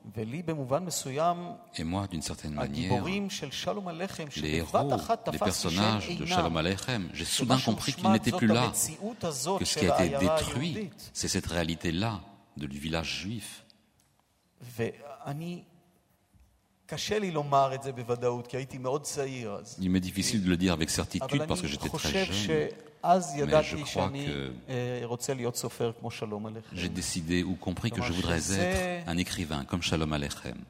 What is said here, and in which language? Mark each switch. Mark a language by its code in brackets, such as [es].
[fr] Et moi, d'une certaine manière, les héros, les personnages de Shalom Aleichem, j'ai soudain compris qu'ils n'étaient plus là, que ce qui a été détruit, c'est cette réalité-là du village juif. Et je [he] קשה לי לומר את זה בוודאות, כי הייתי מאוד צעיר אז. [fr] Il m'est difficile de le dire avec certitude parce que j'étais très jeune. [he] אז ידעתי שאני רוצה להיות סופר כמו שלום עליכם. [fr] J'ai décidé ou compris que je voudrais être un écrivain comme Shalom Aleichem.